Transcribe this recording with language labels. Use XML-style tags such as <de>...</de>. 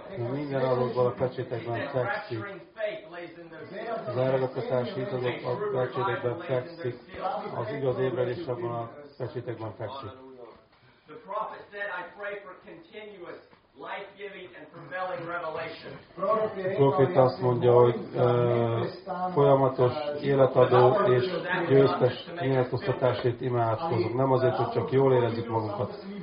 <hu>Minden azokban a pecsétekben fekszik. Az elragadtatás hit azok a pecsétekben fekszik. Az igaz ébredés abban a pecsétekben fekszik.</hu> <en>The prophet said, I pray for continuous life-giving and prevailing revelation.</en> <hu>A prophet azt mondja, hogy folyamatos életadó és győztes nyilatkoztatásért imádkozunk. Nem azért, hogy csak jól érezzük magunkat.</hu>